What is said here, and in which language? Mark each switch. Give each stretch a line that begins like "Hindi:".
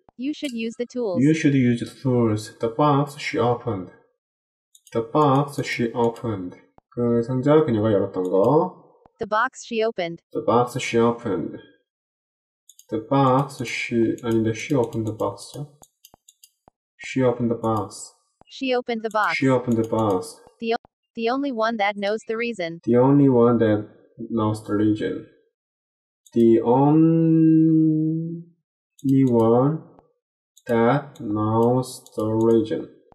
English: You should use the tools. You should use the tools. The box she opened. The box she opened.
Korean: 그 상자 그녀가 열었던 거.
English: The box she opened. The box she opened. The box she
Korean: 아닌데
English: she opened the box. She opened the box. She opened the box. She opened the box. The only one that knows the reason. The only one that knows the reason. The only one that knows the reason.